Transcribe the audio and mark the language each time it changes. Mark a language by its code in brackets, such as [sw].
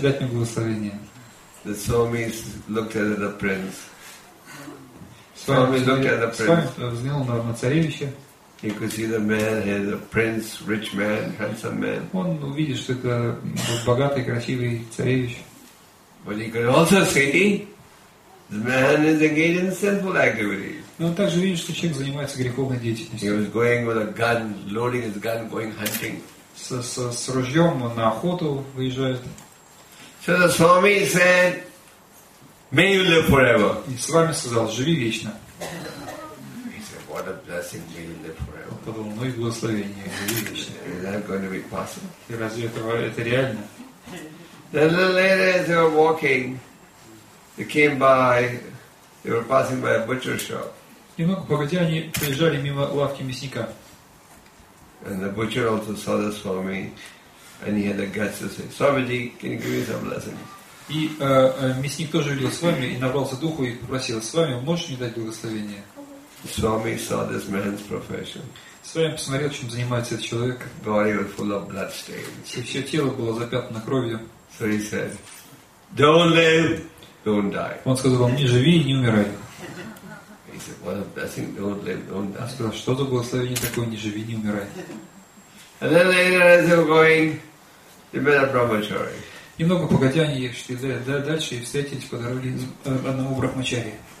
[ru] дать мне благословение? [en] The Swami looked at the prince. Swami looked at the prince. [ru] Свами взглянул на царевича. [en] He could see the man, he is a prince, rich man, handsome man. [ru] Он увидит, что это богатый, красивый царевич. [en] But he could also see the man is engaged in sinful activities. [ru] Но он также видит, что человек занимается греховной деятельностью. [en] He was going with a gun, loading his gun, going hunting. [ru] С ружьем на охоту выезжает. [en] So the Swami said, may you live forever. [ru] И Свами сказал, живи вечно. [en] What a blessing we live forever. [ru] Он подумал, ну и благословение. [en] Is that going to be possible? [ru] Разве это реально? [en] The little later as they were walking, they came by, they were passing by a butcher shop. [ru] Немного погодя, они проезжали мимо лавки мясника. [en] And the butcher also saw the Swami, and he had the guts to say, Swamiji, can you give me some blessings? [ru] И мясник тоже видел с вами и набрался духу и попросил: с вами можешь мне дать благословение? [en] Swami saw this man's profession. [ru] С вами посмотрел, чем занимается этот человек. [en] Body was full of bloodstains. [ru] И все тело было запятнано кровью. [en] So he said, don't live, don't die. [ru] Он сказал: не живи и не умирай. [en] He said, what a blessing, don't live, don't die. [ru] Он сказал: что за благословение такое, не живи, не умирай. [en] And then later as they were going, they met a brahmachari. [ru] Немного погодя они шли дальше и встретились по дороге одного брахмачари.